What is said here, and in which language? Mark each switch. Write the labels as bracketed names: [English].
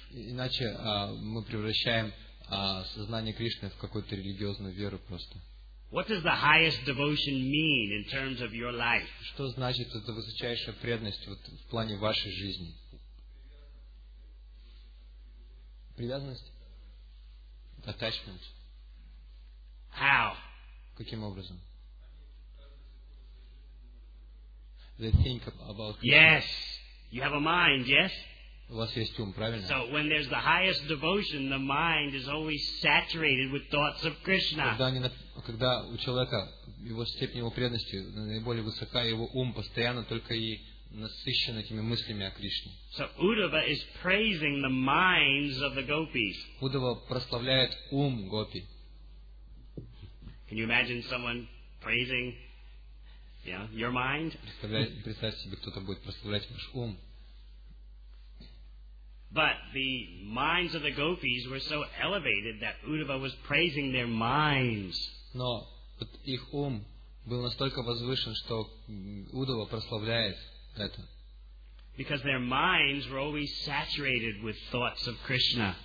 [Russian] Иначе мы превращаем сознание Кришны в какую-то религиозную веру просто. [English] What does the highest devotion mean in terms of your life? [Russian] Что значит эта высочайшая преданность вот в плане вашей жизни? Привязанность? Attachment. [English] How? [Russian] Каким образом? [English] They think about Krishna. Yes. You have a mind, yes? [Russian] У вас есть ум, правильно? [English] So when there's the highest devotion, the mind is always saturated with thoughts of Krishna. [Russian] Когда у человека его степень его преданности наиболее высока, его ум постоянно только и насыщен этими мыслями о Кришне. [English] So Uddhava is praising the minds of the gopis. [Russian] Уддхава прославляет ум гопи. [English] Can you imagine someone praising, your mind? [Russian] Представьте себе, кто-то будет прославлять ваш ум. [English] But the minds of the gopis were so elevated that Uddhava was praising their minds. [Russian] Но вот их ум был настолько возвышен, что Уддхава прославляет это. [English] Because their minds were always saturated with thoughts of Krishna.